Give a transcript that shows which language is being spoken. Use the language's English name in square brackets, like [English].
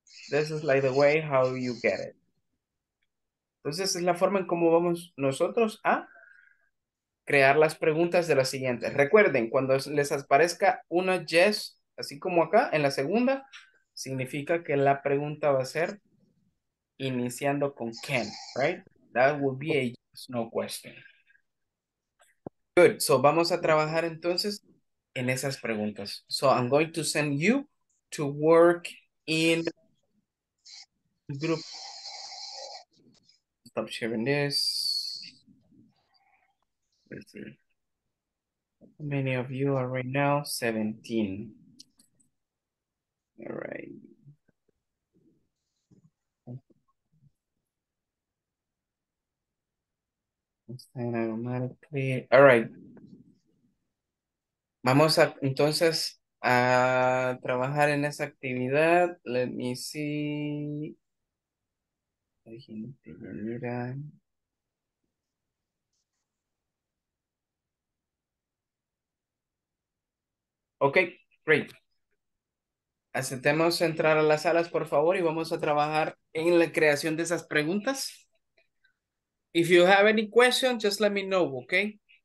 [English] This is like the way how you get it. [Spanish] Entonces es la forma en cómo vamos nosotros a crear las preguntas de las siguientes. Recuerden, cuando les aparezca una yes, así como acá en la segunda, significa que la pregunta va a ser iniciando con can, right? [English] That would be a yes, no question. Good. [Spanish] So vamos a trabajar entonces en esas preguntas. [English] So I'm going to send you to work in group. Stop sharing this. Let's see. How many of you are right now? 17. All right. Automatically. All right. [Spanish] Vamos a entonces a trabajar en esa actividad. [English] Let me see. I can take a look at. Okay, great. [Spanish] Aceptemos entrar a las salas, por favor, y vamos a trabajar en la creación de esas preguntas. [English] If you have any questions, just let me know, okay?